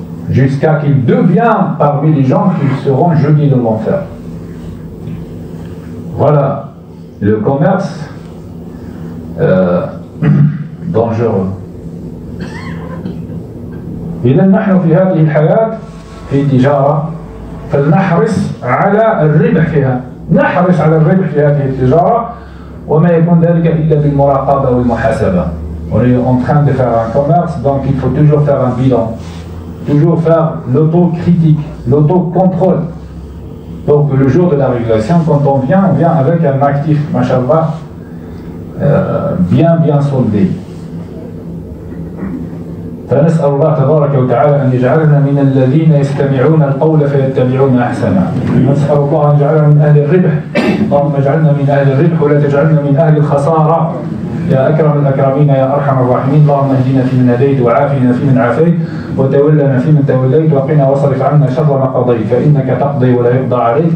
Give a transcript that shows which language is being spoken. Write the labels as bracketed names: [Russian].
[French] Jusqu'à qu'il devienne parmi les gens qui seront jetés dans l'enfer. Voilà le commerce dangereux. [Arabic] إذا نحن في هذه الحياة في تجارة فلنحرص على الربح فيها نحرص على الربح في هذه التجارة وما يكون ذلك إلا بالمراقبة والمحاسبة. [French] On est en train de faire un commerce, donc il faut toujours faire un bilan, toujours faire l'autocritique, l'autocontrôle. Donc le jour de la régulation, quand on vient avec un actif, mashallah, bien bien soldé. [Arabic] فنسأل الله تبارك وتعالى أن يجعلنا من الذين يستمعون القول فيتبعون أحسنه. نسأل الله أن يجعلنا من أهل الربح. اللهم اجعلنا من أهل الربح ولا تجعلنا من أهل الخسارة. يا أكرم الأكرمين يا أرحم الراحمين. اللهم اهدنا فيمن هديت وعافنا فيمن عافيت وتولنا فيمن توليت وقنا واصرف عنا شر ما قضيت فإنك تقضي ولا يقضى عليك.